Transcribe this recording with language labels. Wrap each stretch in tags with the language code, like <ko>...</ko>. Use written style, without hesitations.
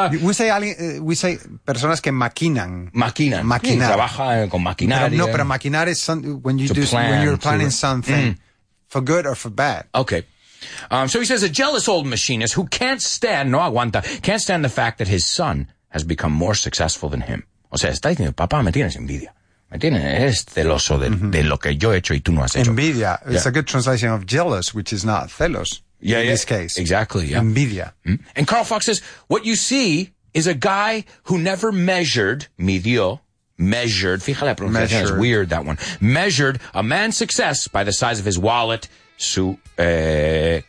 <en>We say</en> <es>personas que maquinan. Maquinan. Maquinar. Sí, trabaja con maquinaria. No, pero</es> <en>maquinar is when you're planning something. Mm. For good or for bad. Okay. So he says, a jealous old machinist who can't stand the fact that his son has become more successful than him.</en> <es>O sea, está diciendo, papá, me tienes envidia. Me tienes, eres celoso de lo que yo he hecho y tú no has hecho. Envidia.</es> <en>It's a good translation of jealous, which is not celos in this case. Exactly,</en> <es>envidia. Mm-hmm.</es> <en>And Carl Fox says, what you see is a guy who never measured,</en> <es>fíjate la pronunciación,</es> <en>it's weird that one. Measured a man's success by the size of his wallet,</en> <es>su cartera.</es>